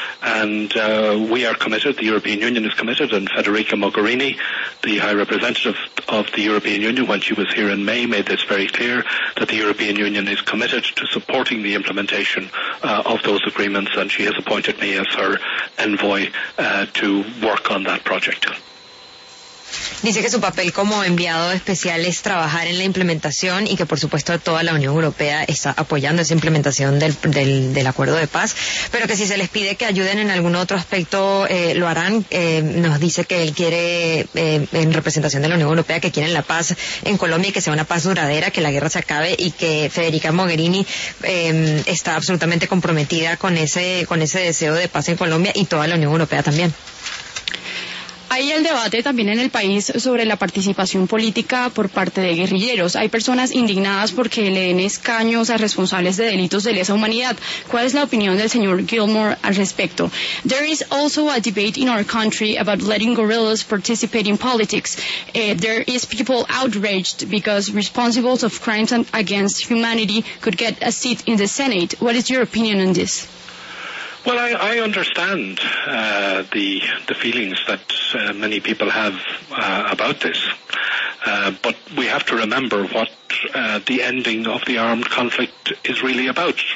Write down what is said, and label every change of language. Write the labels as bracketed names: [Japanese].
[English] And we are committed, the European Union is committed, and Federica Mogherini, the High Representative of the European Union, when she was here in May, made this very clear, that the European Union is committed to supporting the implementation of those agreements, and she has appointed me as her envoy to work on that project. [Spanish] Dice que su papel como enviado especial es trabajar en la implementación y que por supuesto toda la Unión Europea está apoyando esa implementación del acuerdo de paz, pero que si se les pide que ayuden en algún otro aspecto lo harán. Nos dice que él quiere en representación de la Unión Europea que quieren la paz en Colombia y que sea una paz duradera, que la guerra se acabe y que Federica Mogherini está absolutamente comprometida con ese deseo de paz en Colombia y toda la Unión Europea también. Hay el debate también en el país sobre la participación política por parte de guerrilleros. Hay personas indignadas porque le den escaños a responsables de delitos de lesa humanidad. ¿Cuál es la opinión del señor Gilmore al respecto? [English] There is also a debate in our country about letting guerrillas participate in politics. There is people outraged because responsibles of crimes against humanity could get a seat in the Senate. What is your opinion on this? Well, I understand the feelings that many people have about this, but we have to remember what the ending of the armed conflict is really about.